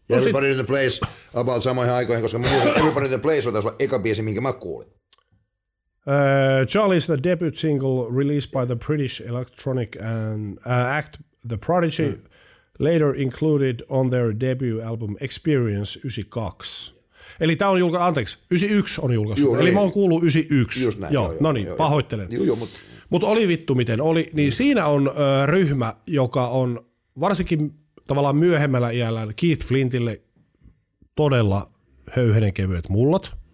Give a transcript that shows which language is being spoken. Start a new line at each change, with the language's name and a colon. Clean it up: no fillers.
Finnish: No Everybody in the Place about samoihin aikoihin, koska mä muistan, Everybody in the Place on taas eka biisi, minkä mä kuulin.
English: Charlie's the debut single released by the British electronic and act The Prodigy, later included on their debut album Experience 92.
Finnish: Eli tää on julkaistu, anteeksi, 91 on julkaistu. Eli mä oon kuullut 91. Just näin. Joo, no niin, pahoittelen. Joo, mutta oli vittu miten oli, niin siinä on ryhmä, joka on varsinkin tavallaan myöhemmällä iällä Keith Flintille todella höyhenen kevyet mullat.